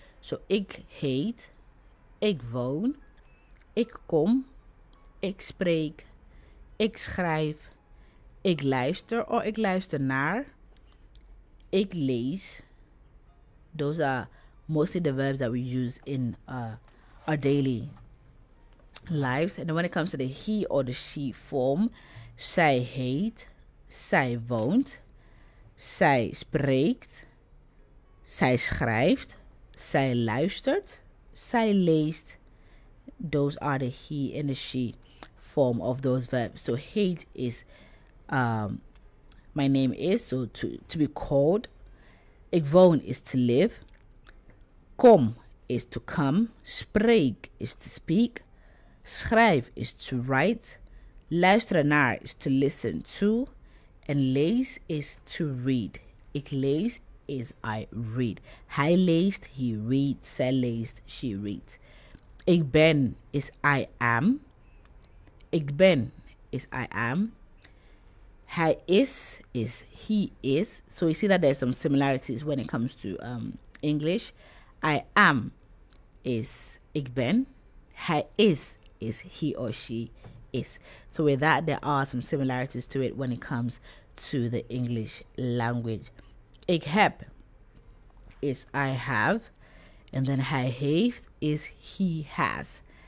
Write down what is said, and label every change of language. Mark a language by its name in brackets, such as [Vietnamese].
[Dutch] So ik heet, ik woon, ik kom, ik spreek, ik schrijf, ik luister, or ik luister naar, ik lees. [English] Those are mostly the verbs that we use in our daily lives. And when it comes to the he or the she form, [Dutch] zij heet, zij woont, zij spreekt, zij schrijft, zij luistert, zij leest. [English] Those are the he and the she form of those verbs. So heet is my name is, so to be called. Ik woon is to live. Kom is to come. Spreek is to speak. Schrijf is to write. Luisteren naar is to listen to. En lees is to read. Ik lees is I read. [Dutch] Hij leest, [English] he reads. [Dutch] Zij leest, [English] she reads. Ik ben is I am. Ik ben is I am. Hij is he is. So you see that there's some similarities when it comes to English. I am is ik ben. Hij is he or she is. So with that, there are some similarities to it when it comes to the English language. Ik heb is I have. And then hij heeft is he has.